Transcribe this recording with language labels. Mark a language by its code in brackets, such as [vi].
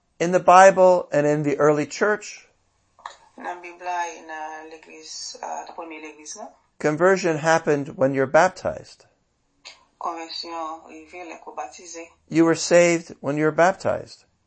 [en] In the Bible and in the early church, [fr] dans la Bible et dans l'église, la première église, non? [en] Conversion happened when you're baptized. [fr] Conversion, il est baptisé. [en] You were saved when you were baptized.